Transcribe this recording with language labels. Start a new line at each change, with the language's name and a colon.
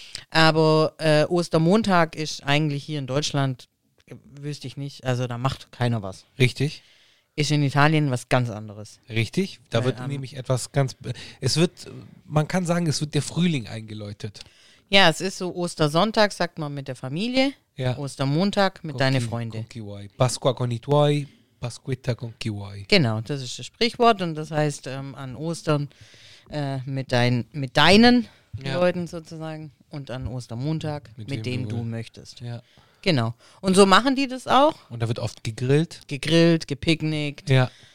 German: Aber Ostermontag ist eigentlich hier in Deutschland, wüsste ich nicht, also da macht keiner was. Richtig. Ist in Italien was ganz anderes. Richtig, da wird nämlich etwas ganz, es wird, man kann sagen, es wird der Frühling eingeläutet. Ja, es ist so Ostersonntag, sagt man mit der Familie, ja. Ostermontag mit deiner Freunde.
Italian: Pasqua con i tuoi, Pasquetta con chi vuoi.
German: Genau, das ist das Sprichwort und das heißt an Ostern mit deinen Leuten sozusagen und an Ostermontag mit dem du möchtest. Ja. Genau. Und so machen die das auch. Und da wird oft gegrillt. Gegrillt, gepicknickt. Ja.